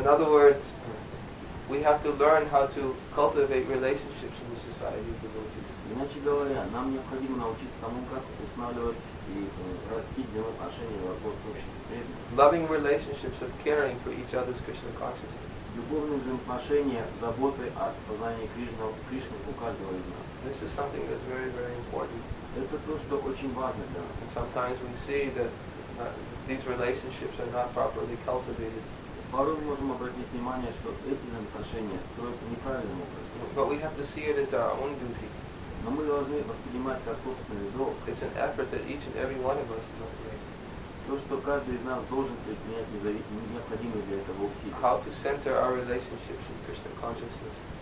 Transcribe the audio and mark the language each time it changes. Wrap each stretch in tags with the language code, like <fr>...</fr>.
<en>In other words, we have to learn how to cultivate relationships in the society of devotees.</en> <ru>Иначе говоря, нам необходимо научиться тому, как устанавливать и расти взаимоотношения в обществе преданных.</ru> <en>Loving relationships of caring for each other's Krishna consciousness.</en> <ru>Любовные взаимоотношения, заботы о сознании Кришны у каждого из нас.</ru> <en>This is something that's very, very important.</en> <ru>Это то, что очень важно для нас.</ru> <en>And sometimes we see that these relationships are not properly cultivated.</en> <ru>Порой можем обратить внимание, что эти взаимоотношения строятся неправильным образом.</ru> <en>But we have to see it as our own duty.</en> <ru>Но мы должны воспринимать как собственный долг.</ru> <en>It's an effort that each and every one of us must make.</en> <ru>То, что каждый из нас должен предпринять, необходимо для этого усилие.</ru> <en>How to center our relationships in Krishna consciousness.</en>